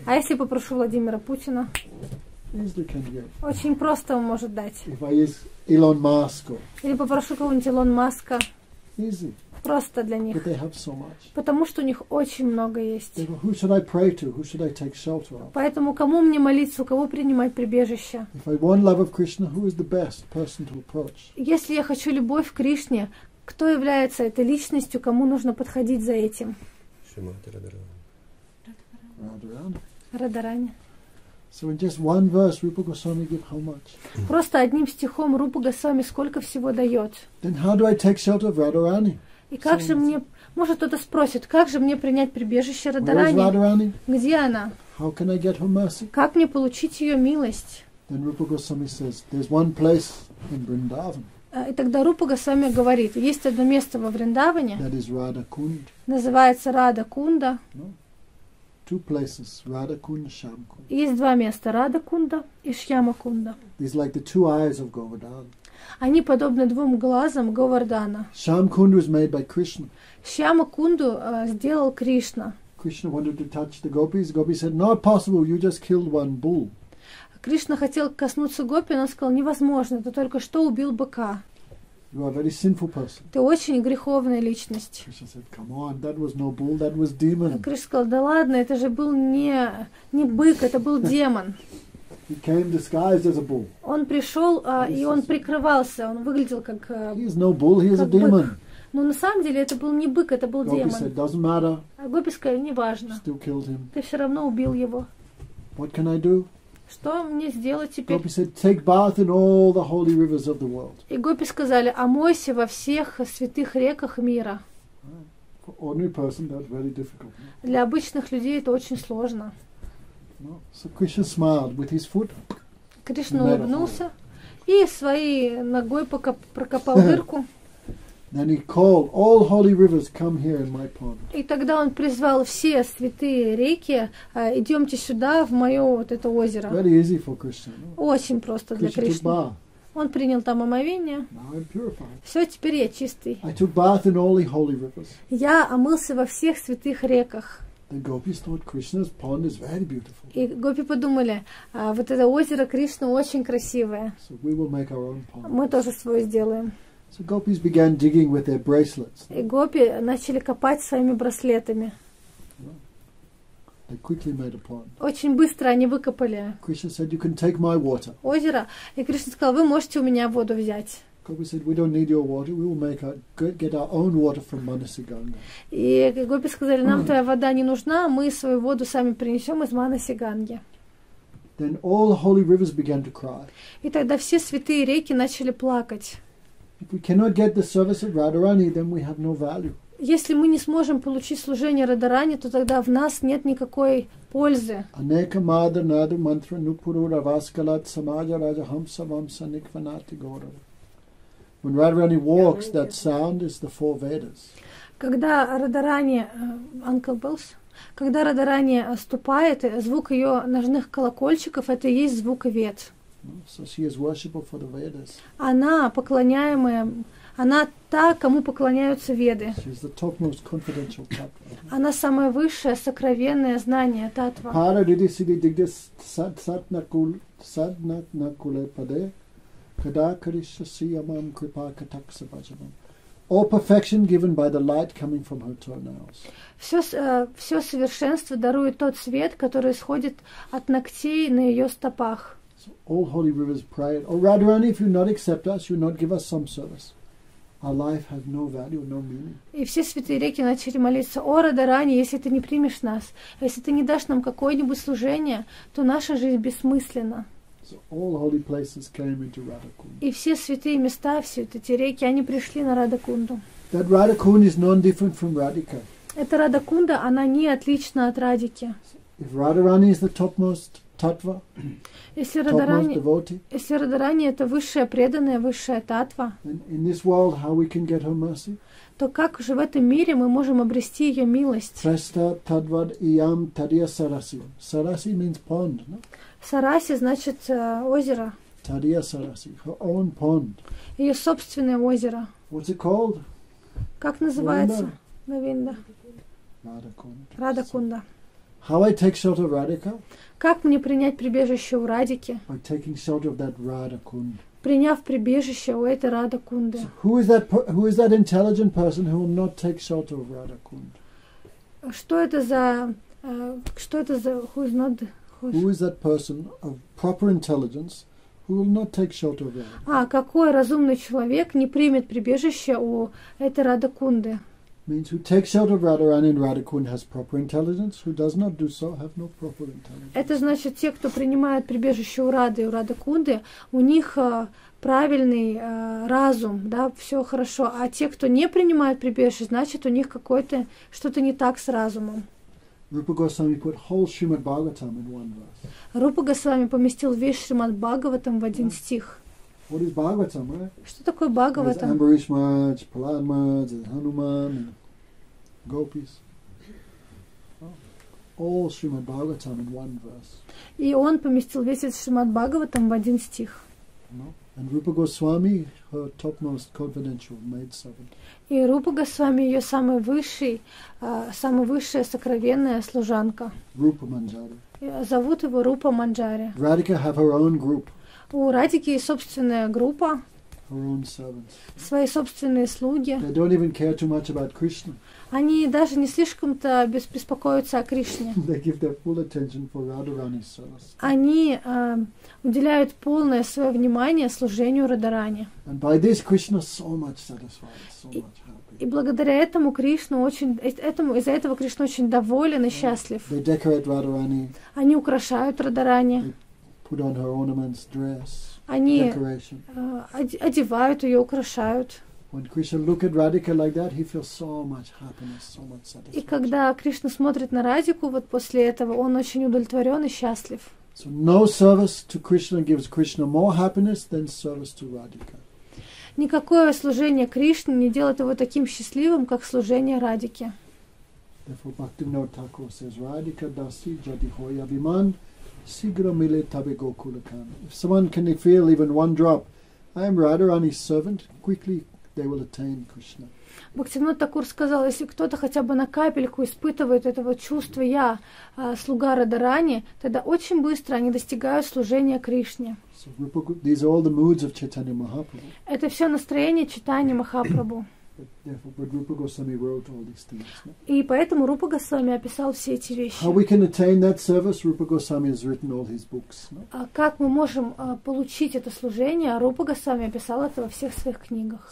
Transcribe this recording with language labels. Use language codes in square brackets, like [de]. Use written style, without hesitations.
[ru] А если попрошу Владимира Путина? Очень просто он может дать. [en] If I ask Elon Musk. [ru] Или попрошу кого-нибудь Илон Маска. [en] Easy. [ru] Просто для них. [en] But they have so much. [ru] Потому что у них очень много есть. [en] Who should I pray to? Who should I take shelter of? [ru] Поэтому кому мне молиться, у кого принимать прибежище? [en] If I want love of Krishna, who is the best person to approach? [ru] Если я хочу любовь к Кришне, кто является этой личностью, кому нужно подходить за этим? Шримати Радхарани. Радхарани. Радхарани. [en] So in just one verse Rupa Goswami give how much? [ru] Просто одним стихом Рупа Госвами сколько всего дает? [en] Then how do I take shelter of Radharani? [ru] И как же мне, может кто-то спросит, как же мне принять прибежище Радхарани? Где она? [en] How can I get her mercy? [ru] Как мне получить ее милость? [en] Then Rupa Goswami says, there's one place in Vrindavan. [ru] И тогда Рупа Госвами говорит, есть одно место во Вриндаване. [en] That is Radha Kund. [ru] Называется Радха Кунда. [en] Two places, Radha Kund and Shyama Kund. [ru] Есть два места, Радха Кунда и Шьяма Кунда. [en] These like the two eyes of Govardhan. [ru] Они подобны двум глазам Говардана. [en] Shyama Kund was made by Krishna. [ru] Шьяма Кунду сделал Кришна. [en] Krishna wanted to touch the gopis. Gopis said, "Not possible. You just killed one bull." [ru] Кришна хотел коснуться гопи, но он сказал, невозможно, ты только что убил быка. [en] You are a very sinful person. [ru] Ты очень греховная личность. [en] Krishna said, come on, that was no bull, that was demon. [ru] Кришна сказал, да ладно, это же был не бык, это был демон. [en] He came disguised as a bull. [ru] Он пришел, и он прикрывался, он выглядел как [en] he is no bull, he is a demon. [ru] Но на самом деле это был не бык, это был демон. [en] Gopi said, doesn't matter. [ru] А гопи сказали, неважно. [en] Still killed him. [ru] Ты все равно убил его. [en] What can I do? [ru] Что мне сделать теперь? [en] Gopi said, take bath in all the holy rivers of the world. [ru] И гопи сказали, омойся во всех святых реках мира. [en] For ordinary person, that's very difficult. [ru] Для обычных людей это очень сложно. [en] So Krishna smiled with his foot. [ru] Кришна улыбнулся и своей ногой прокопал дырку. [en] Then he called, all holy rivers, come here in my pond. [ru] И тогда он призвал все святые реки, идемте сюда, в мое вот это озеро. [en] Very easy for Krishna. [ru] Очень просто для Кришны. Он принял там омовение. [en] Now I'm purified. [ru] Все, теперь я чистый. [en] I took bath in all the holy rivers. [ru] Я омылся во всех святых реках. [en] The gopis thought Krishna's pond is very beautiful. [ru] И гопи подумали, вот это озеро Кришны очень красивое. [en] So we will make our own pond. [ru] Мы тоже свое сделаем. [en] So gopis began digging with their bracelets. [ru] И гопи начали копать своими браслетами. [en] They quickly made a pond. [ru] Очень быстро они выкопали. [en] Krishna said, "You can take my water." [ru] Озеро. И Кришна сказал, вы можете у меня воду взять. [en] Gopi said, "We don't need your water. We will make get our own water from Manasiganga." [ru] И гопи сказали, нам твоя вода не нужна, мы свою воду сами принесем из Манасиганги. [en] Then all the holy rivers began to cry. [ru] И тогда все святые реки начали плакать. [en] If we cannot get the service of Radharani, then we have no value. [ru] Если мы не сможем получить служение Радхарани, то тогда в нас нет никакой пользы. [sa] Anek madra nadu mantra nupuru ravaskalat samaja raja hamsa vamsa nikvanati gaurav. [en] When Radharani walks, that sound is the four Vedas. [ru] Когда Радхарани, [en] Uncle Bills, [ru] когда Радхарани ступает, звук ее ножных колокольчиков это и есть звук Вед. [en] So she is worshipful for the Vedas. [ru] Она поклоняемая, она та, кому поклоняются Веды. [en] She is the topmost confidential tattva. [ru] Она самое высшее, сокровенное знание татва. [sa] Пара риди сиди дигде саднат накуле паде, када кришна сиямам крипа катакса бхаджанам. [en] All perfection given by the light coming from her toenails. [ru] Все совершенство дарует тот свет, который исходит от ногтей на ее стопах. [en] So all holy rivers prayed, "Oh Radharani, if you not accept us, you not give us some service, our life has no value, no meaning." [ru] И все святые реки начали молиться: "О Радхарани, если ты не примешь нас, если ты не дашь нам какое-нибудь служение, то наша жизнь бессмысленна." [en] So all holy places came into Radha Kund. [ru] И все святые места, все эти реки, они пришли на Радха Кунду. [en] That Radha Kund is non-different from Radhika. [ru] Эта Радха Кунда, она не отлична от Радхики. [en] If Radharani is the topmost татва, [ru] если Радхарани это высшая преданная, высшая татва, [en] in this world, how we can get her mercy? [ru] То как же в этом мире мы можем обрести ее милость? [sa] Треста тадвад иям тадья сараси. Сараси [en] means pond, no? [ru] Сараси значит озеро. [sa] Тадья сараси, [en] her own pond. [ru] Ее собственное озеро. [en] What's it called? [ru] Как называется? Навинда. Радха Кунда. [en] How I take shelter of Radhika? [ru] Как мне принять прибежище у Радхики? [en] By taking shelter of that Radha Kund. [ru] Приняв прибежище у этой Радха Кунды. [en] So who is that intelligent person who will not take shelter of Radha Kund? Who is that person of proper intelligence who will not take shelter of Radha? [ru] Какой разумный человек не примет прибежище у этой Радха Кунды? [en] means who takes shelter of Radharani and Radhakund has proper intelligence. Who does not do so have no proper intelligence. [ru] Это значит те, кто принимает прибежище у Рады и у Радхакунды, у них правильный разум, да, все хорошо. А те, кто не принимает прибежище, значит у них какой-то что-то не так с разумом. [en] Rupa Goswami put whole Srimad Bhagavatam in one verse. [ru] Rupa Goswami поместил весь Шримад Бхагаватам в один стих. [en] What is Bhagavatam, right? [ru] Что такое Бхагаватам? [en] There's Амбариш Мадж, Прахлад Мадж, Хануман, Гопис. All Srimad Bhagavatam in one verse. [ru] И он поместил весь этот Шримад Бхагаватам в один стих. [en] And Rupa Goswami, her topmost confidential maidservant. [ru] И Рупа Госвами ее самая высшая сокровенная служанка. [en] Rupa Manjari. [ru] Зовут его Рупа Манджари. [en] Radhika have her own group. [ru] У Радики собственная группа. [en] Her own servants. [ru] Свои собственные слуги. [en] They don't even care too much about Krishna. [ru] Они даже не слишком-то беспокоятся о Кришне. [en] They give their full attention for Radharani's service. [ru] Они уделяют полное свое внимание служению Радхарани. [en] And by this Krishna so much satisfied, so much happy. [ru] И благодаря этому Кришна из-за этого Кришна очень доволен и счастлив. [en] They decorate Radharani. [ru] Они украшают Радхарани. [en] Put on her ornaments, dress. [ru] Они [en] decoration. [ru] Одевают ее, украшают. [en] When Krishna look at Radhika like that, he feels so much happiness, so much satisfaction. [ru] И когда Кришна смотрит на Радику, вот после этого, он очень удовлетворен и счастлив. [en] So no service to Krishna gives Krishna more happiness than service to Radhika. [ru] Никакое служение Кришне не делает его таким счастливым, как служение Радике. [en] Therefore, Bhaktivinoda Thakur says, [sa] Radhika dasi jadi hoy abhiman, sigra mile tabe gokulakam. [en] If someone can feel even one drop, I am Radharani's servant, quickly they will attain Krishna. [ru] Бхактивинода Такур сказал, если кто-то хотя бы на капельку испытывает этого чувства «я слуга Радхарани», тогда очень быстро они достигают служения Кришне. [en] So, Rupa, these are all the moods of Chaitanya Mahaprabhu. [ru] Это все настроение Чайтаньи Махапрабху. [en] But Rupa Goswami wrote all these things. [ru] И поэтому Рупа Госвами описал все эти вещи. [en] How we can attain that service? Rupa Goswami has written all his books. [ru] Как мы можем получить это служение? Рупа Госвами описал это во всех своих книгах.